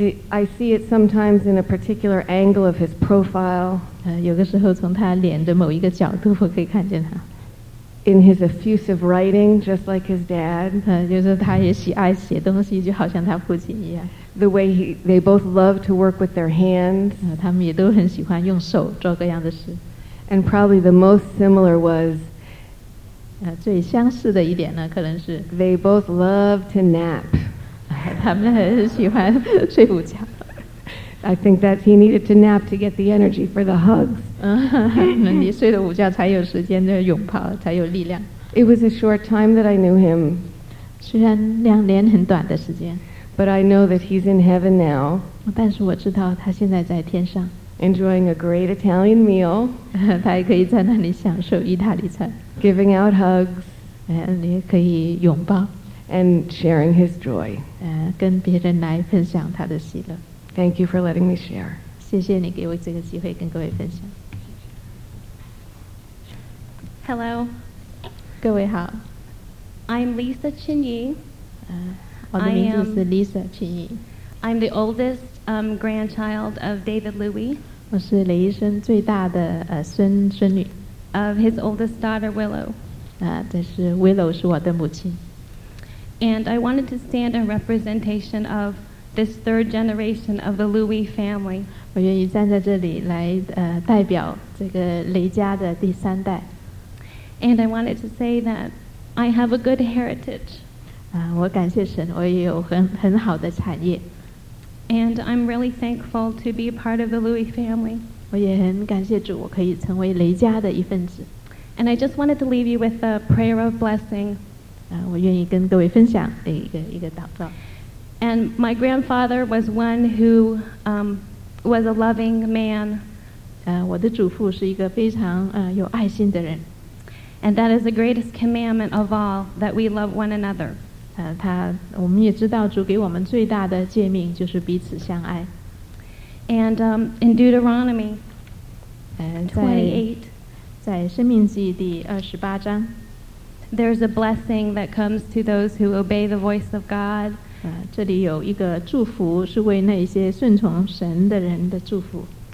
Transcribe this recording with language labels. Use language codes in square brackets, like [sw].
[en] I see it sometimes in a particular angle of his profile. [zh] 有的时候从他脸的某一个角度我可以看见他。 [en] In his effusive writing, just like his dad. [zh] 就是他也喜爱写东西，就好像他父亲一样。 [en] The way they both love to work with their hands. [zh] 他们也都很喜欢用手做各样的事。 [en] And probably the most similar was, [zh] 最相似的一点呢，可能是 [en] they both love to nap. [zh] 他们很喜欢睡午觉。 [en] I think that he needed to nap to get the energy for the hugs. [zh] 你睡了午觉才有时间的拥抱，才有力量。 [en] It was a short time that I knew him. [zh] 虽然两年很短的时间。 [en] But I know that he's in heaven now. [zh] 但是我知道他现在在天上。 [en] Enjoying a great Italian meal. [zh] 他也可以在那里享受意大利餐。 [en] Giving out hugs. [zh] 你也可以拥抱。 [en] And sharing his joy. [zh] 跟别人来分享他的喜乐。 [en] Thank you for letting me share. [zh] 谢谢你给我这个机会跟各位分享。 [en] Hello. [zh] 各位好。 [en] I'm Lisa Chin Yi. [zh] 我的名字是 Lisa Chin Yi. [en] I'm the oldest grandchild of David Louis. [zh] 我是雷医生最大的孙女。 [en] Of his oldest daughter Willow. [zh] 这是 Willow 是我的母亲。 [en] And I wanted to stand in representation of this third generation of the Louis family. [zh] 我愿意站在这里来代表这个雷家的第三代。 [en] And I wanted to say that I have a good heritage. [zh] 我感谢神，我也有很好的产业。 [en] And I'm really thankful to be a part of the Louis family. [zh] 我也很感谢主，我可以成为雷家的一份子。 [en] And I just wanted to leave you with a prayer of blessing. [zh] 我愿意跟各位分享一个祷告。 [en] And my grandfather was one who was a loving man. [zh] 我的祖父是一个非常有爱心的人。 [en] And that is the greatest commandment of all, that we love one another. [zh] 我们也知道主给我们最大的诫命就是彼此相爱。 [en] And in Deuteronomy 28, [zh] 在申命记第28章 [en] there's a blessing that comes to those who obey the voice of God. [zh] 这里有一个祝福是为那些顺从神的人的祝福